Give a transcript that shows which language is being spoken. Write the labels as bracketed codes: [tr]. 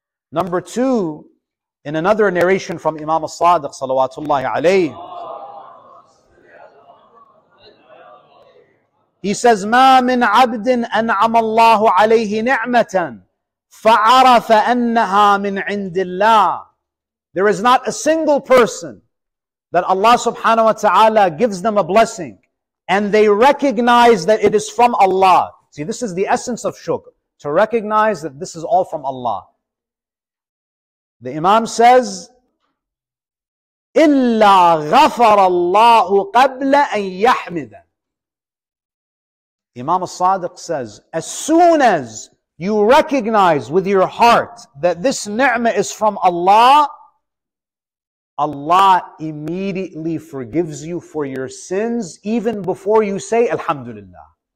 [en] Number two, in another narration from Imam al-Sadiq, salawatullahi alayhi, he says, [ar] مَا مِنْ عَبْدٍ أَنْعَمَ اللَّهُ عَلَيْهِ نِعْمَةً فَعَرَفَ أَنَّهَا مِنْ عِنْدِ اللَّهِ. [en] There is not a single person that Allah subhanahu wa ta'ala gives them a blessing and they recognize that it is from Allah. See, this is the essence of shukr, to recognize that this is all from Allah. The Imam says, [ar] إِلَّا غَفَرَ اللَّهُ قَبْلَ أَنْ يَحْمِدَ. [en] Imam al-Sadiq says, as soon as you recognize with your heart that this ni'mah is from Allah, Allah immediately forgives you for your sins even before you say Alhamdulillah.